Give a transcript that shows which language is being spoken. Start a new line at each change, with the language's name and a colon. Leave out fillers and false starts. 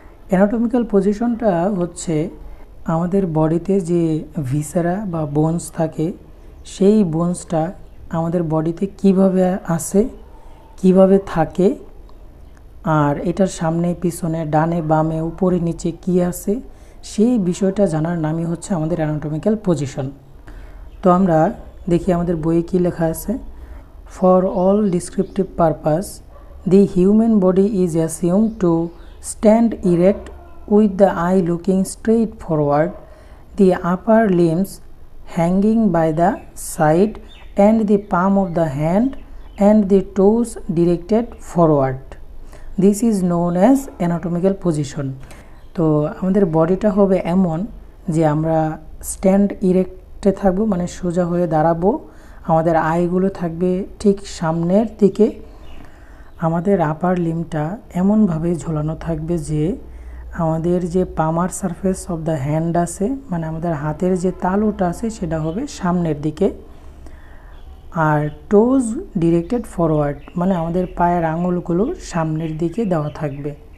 Bangla: Anatomical পজিশনটা হচ্ছে আমাদের বডিতে যে ভিসেরা বা বোনস থাকে, সেই বোনসটা আমাদের বডিতে কিভাবে আসে, কিভাবে থাকে, আর এটার সামনে পিছনে ডানে বামে উপরে নিচে কি আছে, সেই বিষয়টা জানার নামই হচ্ছে আমাদের অ্যানাটমিক্যাল পজিশন। তো আমরা দেখি আমাদের বইয়ে কী লেখা আছে।
English: For all descriptive purpose, the human body is assumed to stand erect with the eye looking straight forward, the upper limbs hanging by the side and the palm of the hand and the toes directed forward. This is known as anatomical position.
Bangla: তো আমাদের বডিটা হবে এমন যে আমরা stand ইরেক্টে থাকবো, মানে সোজা হয়ে দাঁড়াবো, আমাদের আইগুলো থাকবে ঠিক সামনের দিকে, আমাদের আপার লিমটা এমনভাবে ঝোলানো থাকবে যে আমাদের যে
English: palmar surface of the hand
Bangla: আছে, মানে আমাদের হাতের যে তালুটা আছে সেটা হবে সামনের দিকে, আর
English: toes directed forward,
Bangla: মানে আমাদের পায়ের আঙুলগুলো সামনের দিকে দেওয়া থাকবে।